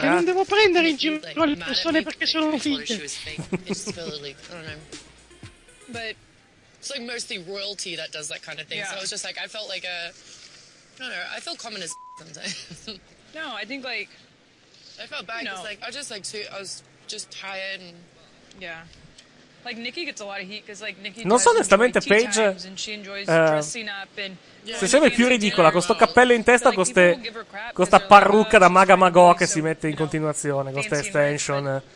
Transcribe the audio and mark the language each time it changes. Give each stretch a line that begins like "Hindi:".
Italian: Che non devo prendere in giro le persone perché sono finte.
English: It's like mostly royalty that does that kind of thing. Yeah. So it was just like, I felt like a... I don't know, I feel common as sometimes. No, I think like... I felt bad because like, I was just like too... I was just tired and... Yeah. Like Nikki gets a lot of heat because like Nikki...
Italian: Non so onestamente Paige...
English: And she enjoys dressing up and...
Italian: Se sembra più ridicola con sto cappello in testa, con questa parrucca da Maga Magò che si mette in continuazione, con queste extension.